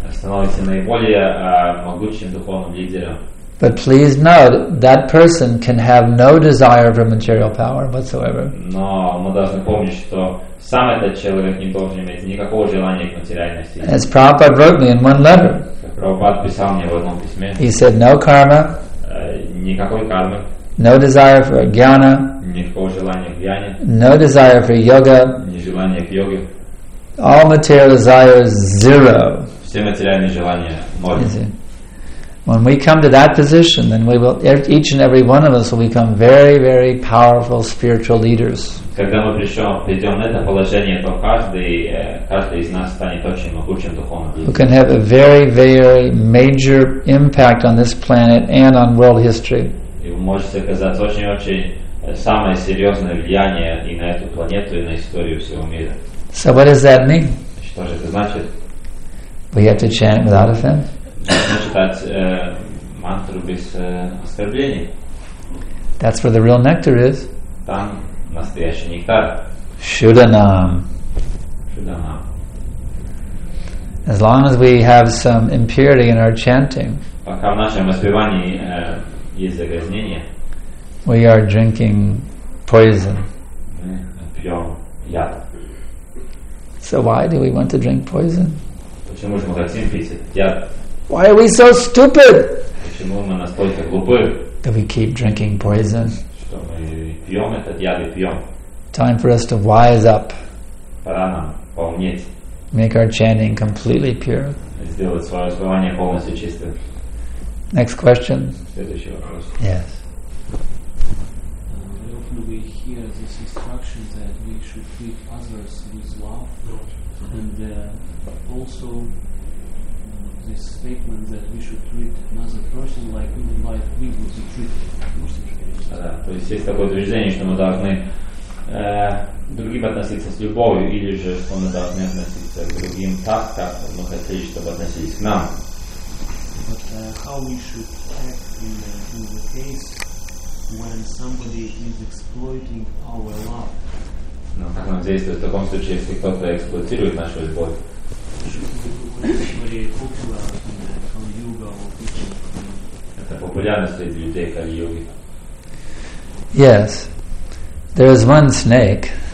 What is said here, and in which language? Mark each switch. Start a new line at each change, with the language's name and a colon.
English: But please note that person can have no desire for material power whatsoever.
Russian: Но мы должны помнить, что сам этот человек не должен иметь никакого желания к материальности.
English: As Prabhupada wrote me in one letter.
Russian: Прабхупада писал мне в одном письме.
English: He said, "No karma."
Russian: Никакой кармы.
English: No desire for jnana.
Russian: Никакого желания к джняне.
English: No desire for yoga.
Russian: Ни желания к йоге.
English: All material desires zero.
Russian: Все материальные желания ноль.
English: When we come to that position, then we will, each and every one of us will become very, very powerful spiritual leaders.
Russian: Когда мы придем на это положение, то каждый из нас станет очень могучим духовным лидером.
English: We can have a very, very major impact on this planet and on world history.
Russian: И вы можете оказать очень-очень самое серьезное влияние и на эту планету, и на историю всего мира.
English: So what does that mean?
Russian: Что же это значит?
English: We have to chant without offense.
Russian: Читать мантру без оскорблений.
English: That's where the real nectar is.
Russian: Там настоящий нектар.
Sanskrit: Шуданам. Шуданам.
English: As long as we have some impurity in our chanting.
Russian: Пока в нашем воспевании есть загрязнение.
English: We are drinking poison.
Russian: Пьем яд.
English: So why do we want to drink poison?
Russian: Почему же мы хотим пить яд?
English: Why are we so stupid?
Russian: Почему мы настолько глупы?
English: That we keep drinking poison.
Russian: Что мы пьем этот яд и пьем.
English: Time for us to wise up.
Russian: Пора нам поумнеть.
English: Make our chanting completely pure.
Russian: Сделать свое воспевание полностью чистым.
English: Next question.
Russian: Следующий вопрос.
English: Yes. Often we hear this instruction that we should treat others with love, and also this statement that we should treat another person like we would be treated.
Russian: То есть есть такое движение, что мы должны другим относиться с любовью, или же что мы должны относиться к другим так, как мы хотели, чтобы относились к нам.
English: but how we should act in the case when somebody is exploiting our love.
Russian: Ну, как нам действовать в таком случае, если кто-то эксплуатирует нашу любовь? Это популярно среди людей кали-йоги.
English: Yes. There is one snake.